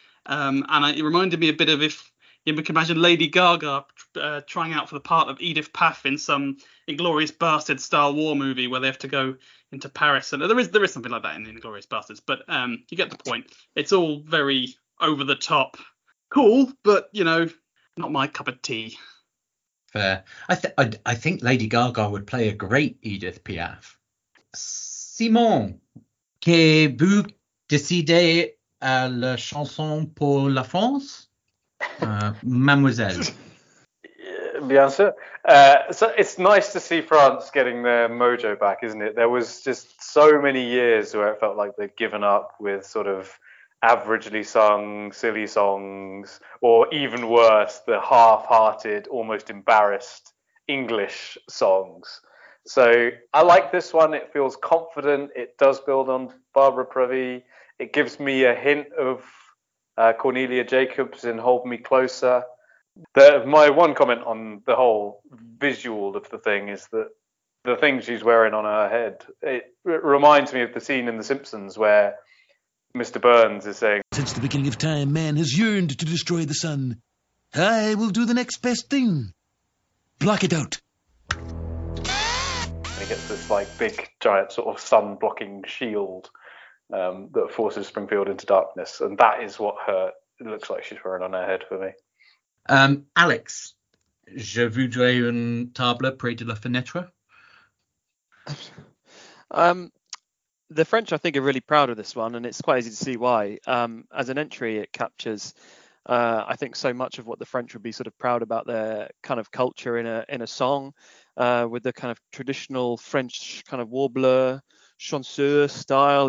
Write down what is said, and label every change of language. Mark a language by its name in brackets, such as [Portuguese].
[English] It reminded me a bit of if, you know, we can imagine Lady Gaga trying out for the part of Edith Piaf in some Inglourious Bastards-style war movie where they have to go into Paris. And there is something like that in Inglourious Bastards, but you get the point. It's all very over-the-top cool, but, you know, not my cup of tea. Fair. I think Lady Gaga would play a great Edith Piaf. [French] Simon, que vous décidez à la chanson pour la France? Mademoiselle. Bien sûr. [English] So it's nice to see France getting their mojo back, isn't it? There was just so many years where it felt like they'd given up with sort of averagely sung, silly songs, or even worse, the half-hearted, almost embarrassed English songs. So I like this one. It feels confident. It does build on Barbara Pravi. It gives me a hint of Cornelia Jacobs in Hold Me Closer. My one comment on the whole visual of the thing is that the thing she's wearing on her head, it reminds me of the scene in The Simpsons where Mr. Burns is saying, since the beginning of time, man has yearned to destroy the sun. I will do the next best thing. Block it out. And he gets this, like, big, giant sort of sun-blocking shield that forces Springfield into darkness. And that is what it looks like she's wearing on her head for me. [French] Alex, je voudrais une table près de la fenêtre. [English] The French, I think, are really proud of this one, and it's quite easy to see why. As an entry, it captures, I think, so much of what the French would be sort of proud about their kind of culture in a song, with the kind of traditional French kind of warbler, chanteur style.